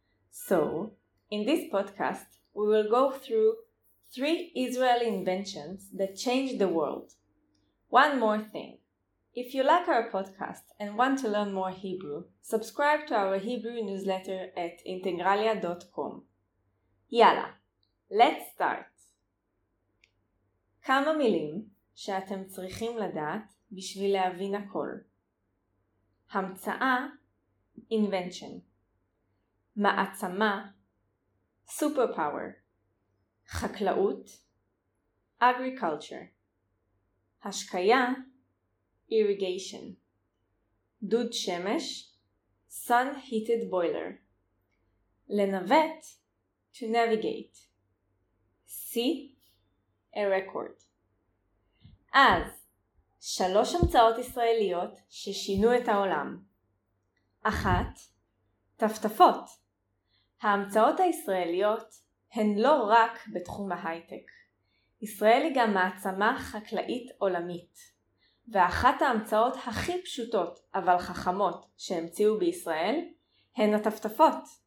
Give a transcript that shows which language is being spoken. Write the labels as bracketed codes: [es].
[en] So, in this podcast, we will go through three Israeli inventions that changed the world. One more thing. If you like our podcast and want to learn more Hebrew, subscribe to our Hebrew newsletter at integralia.com. Yala, let's start. [he] כמה מילים שאתם צריכים לדעת בשביל להבין הכל. המצאה, invention. מעצמה, superpower. חקלאות, agriculture. השקיה, irrigation. דוד שמש, [en] sun heated boiler. [he] לנווט, [en] to navigate. See, a record. [he] אז, שלוש המצאות ישראליות ששינו את העולם. אחת, טפטפות. ההמצאות הישראליות הן לא רק בתחום ההייטק. ישראל היא גם מעצמה חקלאית עולמית. ואחת ההמצאות הכי פשוטות אבל חכמות שהמציאו בישראל הן הטפטפות.